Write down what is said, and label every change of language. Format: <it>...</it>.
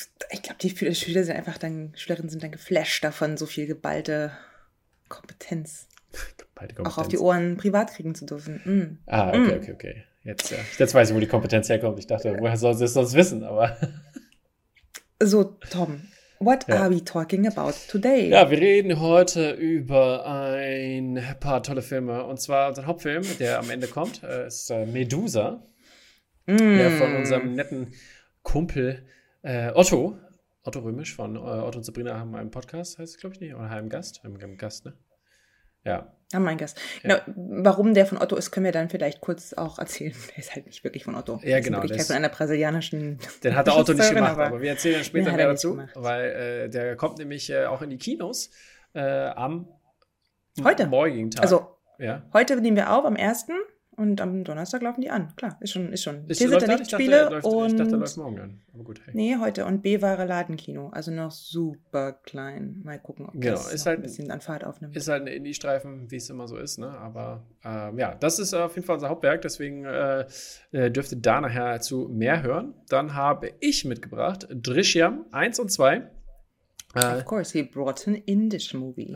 <de>Ich glaube, die Schüler sind einfach dann, Schülerinnen sind dann geflasht davon, so viel geballte Kompetenz. Auch auf die Ohren privat kriegen zu dürfen. Mm. Ah, okay. Jetzt, ja. Jetzt weiß ich, wo die Kompetenz herkommt. Ich dachte, woher soll sie es sonst wissen? Aber.</de> <en>So, Tom, are we talking about today?</en> <de>Ja, wir reden heute über ein paar tolle Filme. Und zwar unser Hauptfilm, der am Ende kommt, ist Medusa. Mm. Der von unserem netten Kumpel Otto. Otto Römisch von Otto und Sabrina haben einen Podcast, heißt es, glaube ich, nicht? Oder Heimgast, ne? Ja. Ja, mein Gast. Ja. Genau, warum der von Otto ist, können wir dann vielleicht kurz auch erzählen. Der ist halt nicht wirklich von Otto. Ja, genau. Der ist von einer brasilianischen. Den hat der Otto nicht gemacht, aber wir erzählen dann später mehr dazu. Gemacht. Weil der kommt nämlich auch in die Kinos am heute. Morgigen Tag. Also, ja. Heute nehmen wir auf, am 1. und am Donnerstag laufen die an. Klar, ist schon. Hier sind Lichtspiele. Ich dachte, läuft morgen an. Aber gut, hey. Nee, heute. Und B-Ware Ladenkino. Also noch super klein. Mal gucken, ob das ist halt ein bisschen an Fahrt aufnimmt. Ist halt ein Indie-Streifen, wie es immer so ist. Ne? Aber das ist auf jeden Fall unser Hauptwerk. Deswegen dürft ihr da nachher zu mehr hören. Dann habe ich mitgebracht Drishyam 1 und 2.</de> <en>Of course, he brought an Indish movie.</en>